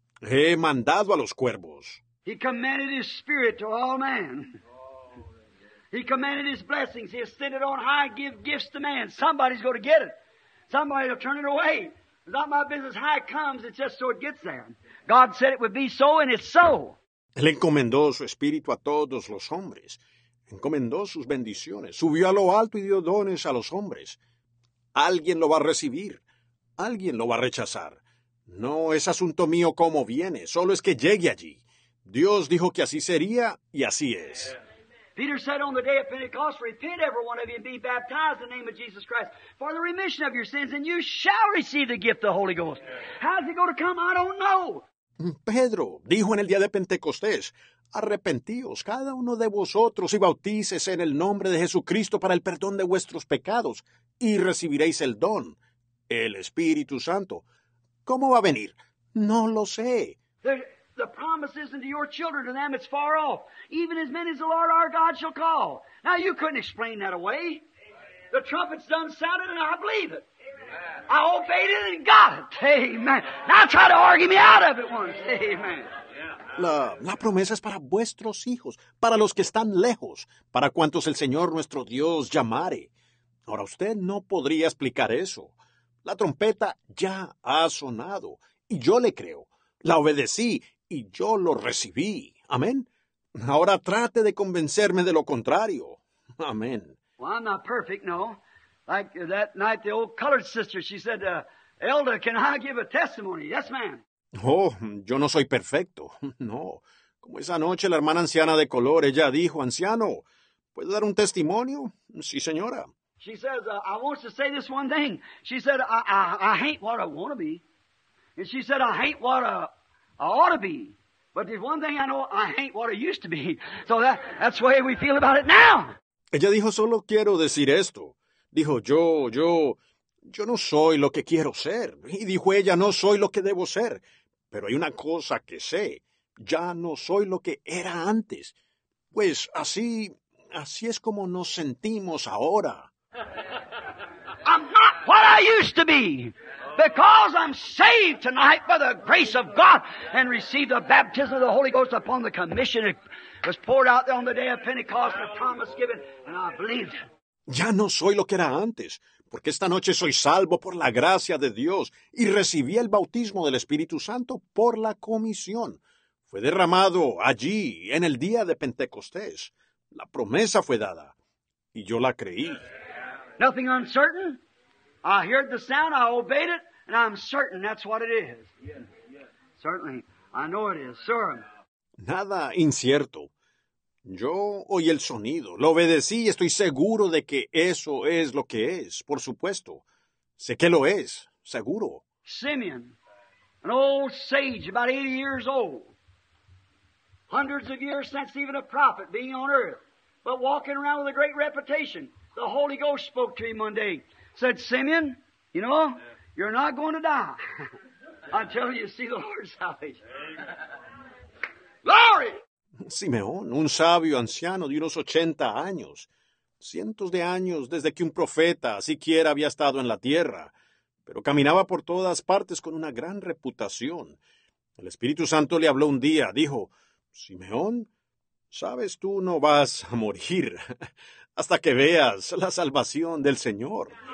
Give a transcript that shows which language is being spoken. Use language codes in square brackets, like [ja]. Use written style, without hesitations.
[es] He mandado a los cuervos. [en] He commanded his spirit to all men. He commanded his blessings. He ascended on high and give gifts to man. Somebody's going to get it. Somebody will turn it away. It's not my business how it comes, it's just so it gets there. God said it would be so, and it's so. [es] Él encomendó su espíritu a todos los hombres. Encomendó sus bendiciones. Subió a lo alto y dio dones a los hombres. Alguien lo va a recibir. Alguien lo va a rechazar. No es asunto mío cómo viene, solo es que llegue allí. Dios dijo que así sería, y así es. [en] Peter said on the day of Pentecost, repent every one of you and be baptized in the name of Jesus Christ for the remission of your sins, and you shall receive the gift of the Holy Ghost. How's it going to come? I don't know. [es] Pedro dijo en el día de Pentecostés, arrepentíos cada uno de vosotros y bautícese en el nombre de Jesucristo para el perdón de vuestros pecados, y recibiréis el don, el Espíritu Santo. ¿Cómo va a venir? No lo sé. [en] The promise isn't to your children, to them it's far off, even as many as the Lord our God shall call. Now you couldn't explain that away. Amen. The trumpet's done sounded, and I believe it. Amen. I obeyed it and got it. Amen. Now try to argue me out of it once. Amen. [es] La promesa es para vuestros hijos, para los que están lejos, para cuantos el Señor nuestro Dios llamare. Ahora usted no podría explicar eso. La trompeta ya ha sonado, y yo le creo. La obedecí, y yo lo recibí. Amén. Ahora trate de convencerme de lo contrario. Amén. [en] Well, I'm not perfect, no. Like that night, the old colored sister, she said, Elder, can I give a testimony? Yes, ma'am. [es] Oh, yo no soy perfecto. No. Como esa noche, la hermana anciana de color, ella dijo, anciano, ¿puedo dar un testimonio? Sí, señora. [en] She says, I want to say this one thing. She said, I hate what I want to be. And she said, I hate what I ought to be. But there's one thing I know, I hate what I used to be. So that's the way we feel about it now. [es] Ella dijo, solo quiero decir esto. Dijo, yo no soy lo que quiero ser. Y dijo ella, no soy lo que debo ser. Pero hay una cosa que sé. Ya no soy lo que era antes. Pues así es como nos sentimos ahora. [en] I'm not what I used to be. Because I'm saved tonight by the grace of God and received the baptism of the Holy Ghost upon the commission. It was poured out there on the day of Pentecost, the promise given, and I believed. [es] Ya no soy lo que era antes, porque esta noche soy salvo por la gracia de Dios y recibí el bautismo del Espíritu Santo por la comisión. Fue derramado allí en el día de Pentecostés. La promesa fue dada, y yo la creí. [en] Nothing uncertain. I heard the sound, I obeyed it, and I'm certain that's what it is. Yes. Certainly, I know it is, sir. [es] Nada incierto. Yo oí el sonido, lo obedecí, y estoy seguro de que eso es lo que es, por supuesto. Sé que lo es, seguro. [en] Simeon, an old sage, about 80 years old. Hundreds of years since even a prophet being on earth, but walking around with a great reputation. The Holy Ghost spoke to him one day. Said, Simeon, you know, you're not going to die until you see the Lord's salvation. Glory! [es] Simeón, un sabio anciano de unos 80 años, cientos de años desde que un profeta siquiera había estado en la tierra, pero caminaba por todas partes con una gran reputación. El Espíritu Santo le habló un día, dijo, Simeón, sabes tú no vas a morir hasta que veas la salvación del Señor.